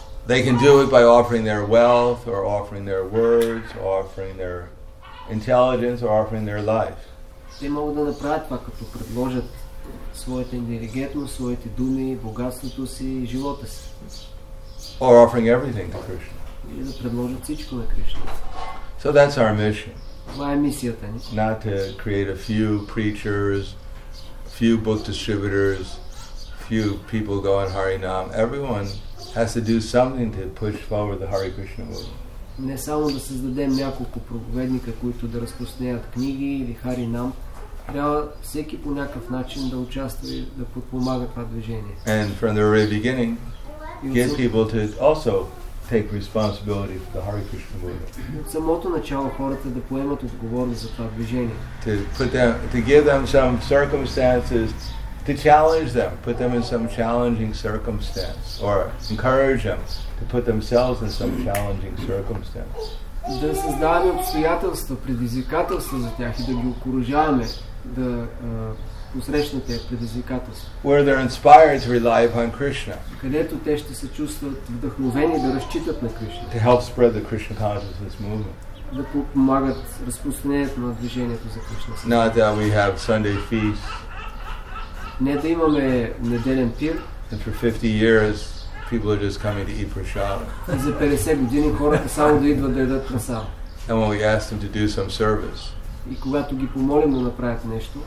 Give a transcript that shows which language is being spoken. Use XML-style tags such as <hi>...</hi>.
<en>They can do it by offering their wealth or offering their words or offering their intelligence or offering their life.</en> <bg>Те могат да направят това, като предложат своята интелигентност, своите думи, богатството си и живота си.</bg> <en>Or offering everything to Krishna.</en> <bg>Или да предложат всичко на Кришна.</bg> <en>So that's our mission.</en> <bg>Това е мисията ни.</bg> <en>Not to create a few preachers, few book distributors, few people going Harinam. Everyone has to do something to push forward the Hare Krishna movement.</en> <bg>Не само да създадем няколко проповедника, които да разпространяват книги или Хари Нам, трябва всеки по някакъв начин да участва и да подпомага това движение.</bg> <en>And from the very beginning, get people to also take responsibility for the Hare Krishna movement.</en> <bg>От самото начало хората да поемат отговорност за това движение.</bg> <en>To give them some circumstances, to challenge them, put them in some challenging circumstance, or encourage them to put themselves in some challenging circumstance.</en> <bg>Да създаваме обстоятелства, предизвикателства за тях и да ги окуражаваме да посрещнат тези предизвикателства.</bg> <en>Where they're inspired to rely upon Krishna.</en> <bg>Където те ще се чувстват вдъхновени да разчитат на Кришна.</bg> <en>To help spread the Krishna consciousness movement.</en> <bg>Да помагат разпространението на движението за Кришна.</bg> <en>Not that we have Sunday feasts.</en> <bg>Не да имаме неделен пир.</bg> <en>And for 50 years people are just coming to eat prasad.</en> <bg>За 50 години хората само да идват да ядат прасад.</bg> <en>And when we ask them to do some service.</en> <bg>И когато ги помолим да направят нещо.</bg>